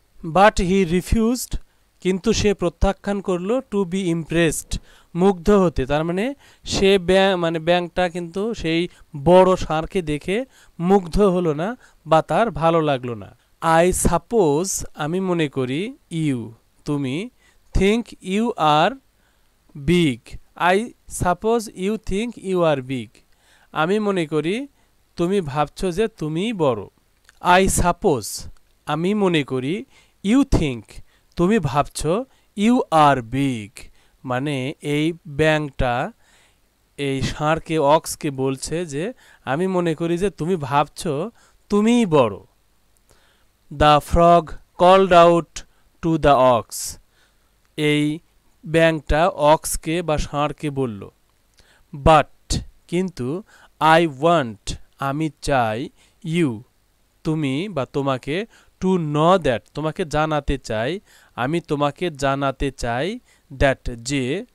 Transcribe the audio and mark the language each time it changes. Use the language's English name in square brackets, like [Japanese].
[English] but he refused, [Bangla] কিন্তু সে প্রত্যাখ্যান করলো [English] to be impressed, [Bangla] মুগ্ধ হতে, তার মানে সে ব্যাংটা কিন্তু সেই বড় সাঁড়কে দেখে মুগ্ধ হলো না বা তার ভালো লাগলো না। [English] I suppose, [Bangla] আমি মনে করি, ইউ তুমি, [English] think you are big. I suppose you think you are big. [Bangla] আমি মনে করি তুমি ভাবছো যে তুমিই বড়। [English] I suppose [Bangla] আমি মনে করি [English] you think [Bangla] তুমি ভাবছো [English] you are big। [Bangla] মানে এই ব্যাংকটা এই ষাঁড়কে অক্সকে বলছে যে আমি মনে করি যে তুমি ভাবছো তুমিই বড়। [English] The frog called out to the ox. [Bangla] এই ব্যাংকটা অক্সকে বা ষাঁড়কে বলল। But কিন্তু [English] I want [Bangla] আমি চাই you তুমি বা তোমাকে [English] to know that [Bangla] তোমাকে জানাতে চাই আমি তোমাকে জানাতে চাই that যে